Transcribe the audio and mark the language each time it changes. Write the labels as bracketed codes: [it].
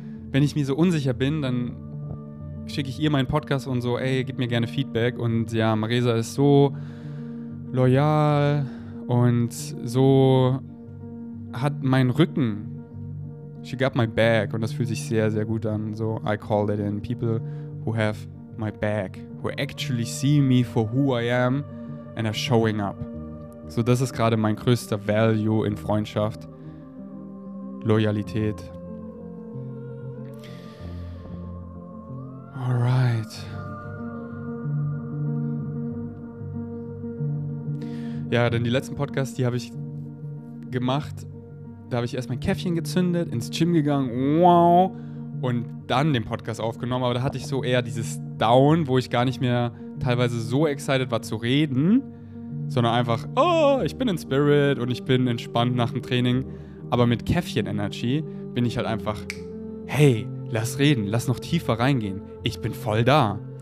[de] Wenn ich mir so unsicher bin, dann schicke ich ihr meinen Podcast und so, ey, gib mir gerne Feedback. Und ja, Marisa ist so loyal und so hat meinen Rücken. [en] She got my back [de] und das fühlt sich sehr, sehr gut an. [en] So, I call it in people who have my back, who actually see me for who I am and are showing up. [de] So, das ist gerade mein größter Value in Freundschaft. Loyalität. [en] Alright. [de] Ja, denn die letzten Podcasts, die habe ich gemacht, da habe ich erst mein Käffchen gezündet, ins Gym gegangen, wow, und dann den Podcast aufgenommen, aber da hatte ich so eher dieses Down, wo ich gar nicht mehr teilweise so excited war zu reden, sondern einfach, oh, ich bin in Spirit und ich bin entspannt nach dem Training, aber mit Käffchen-Energy bin ich halt einfach, hey, lass reden, lass noch tiefer reingehen, ich bin voll da.